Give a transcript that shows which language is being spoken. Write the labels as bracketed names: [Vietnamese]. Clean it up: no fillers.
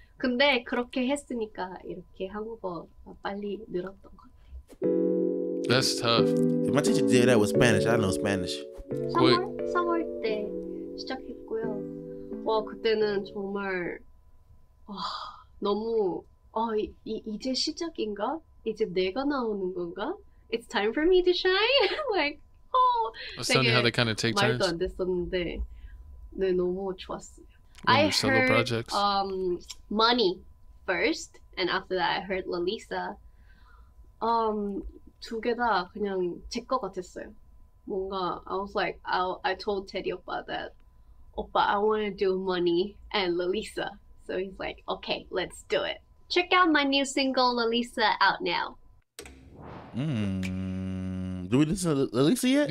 [Korean] 근데 그렇게 했으니까 이렇게 한국어 빨리 늘었던 것 같아요 [English] That's tough If my teacher did that with Spanish, I know Spanish [Korean] 3월 때 시작했고요 와 그때는 정말 너무 이제 시작인가? 이제 내가 나오는 건가? [English] It's time for me to shine. like, oh, I was telling you how they kind of take [Korean] 말도 말도 안 됐었는데, 네 너무 좋았어요. [English] I heard projects. Money first, and after that I heard Lalisa. [Korean] 두 개 다 그냥 제 거 같았어요. 뭔가 [English] I was like, I told Teddy 오빠 that, 오빠 I want to do Money and Lalisa. So he's like, okay, let's do it. Check out my new single, Lalisa, out now. Do we listen to Lalisa yet?